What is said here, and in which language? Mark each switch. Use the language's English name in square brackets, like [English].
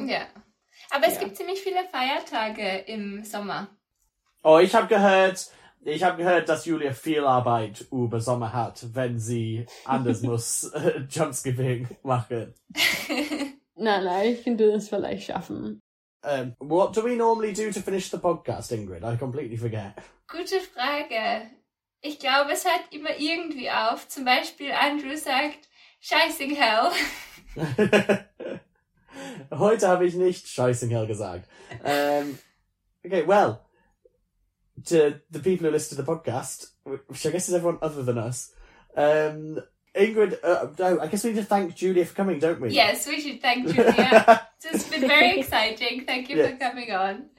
[German] Ja, aber es gibt ziemlich viele Feiertage im Sommer. Oh, ich habe gehört, dass Julia viel Arbeit über Sommer hat, wenn sie anders muss Jumpskipping machen. Nein, ich kann das vielleicht schaffen. [English] What do we normally do to finish the podcast, Ingrid? I completely forget. [German] Gute Frage. Ich glaube, es hört immer irgendwie auf. Zum Beispiel, Andrew sagt, Scheißing Hell. Heute habe ich nicht Scheißing Hell gesagt. [English] Okay, well, to the people who listen to the podcast, which I guess is everyone other than us, Ingrid, I guess we need to thank Julia for coming, don't we? Yes, we should thank Julia. It's been very exciting. Thank you for coming on.